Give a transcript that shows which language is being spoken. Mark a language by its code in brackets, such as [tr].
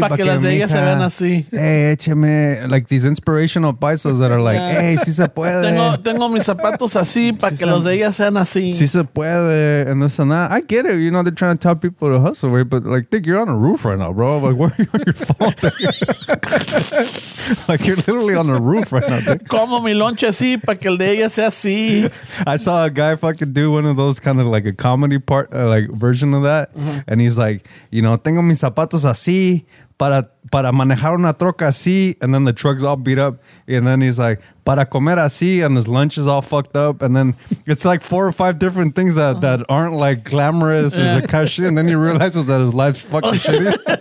[es] para que las de ellas se vean así. [en] Hey, écheme, like these inspirational paisas that are like, [es] hey, si se puede. Tengo mis zapatos así para que los de ellas sean así. Si se puede, [en] and this and that. I get it. You know, they're trying to tell people to hustle, right? But like, dick, you're on a roof right now, bro. Like, where are you on your phone? Like you're literally on the roof right now. [es] Como mi lunch así para que el de ella sea así. [en] I saw a guy fucking do one of those kind of like a comedy part, like version of that, and he's like, you know, [es] tengo mis zapatos así para manejar una troca así, [en] and then the truck's all beat up, and then he's like, [es] para comer así, [en] and his lunch is all fucked up, and then it's like four or five different things that aren't like glamorous or cashy, and then he realizes that his life's fucking shitty.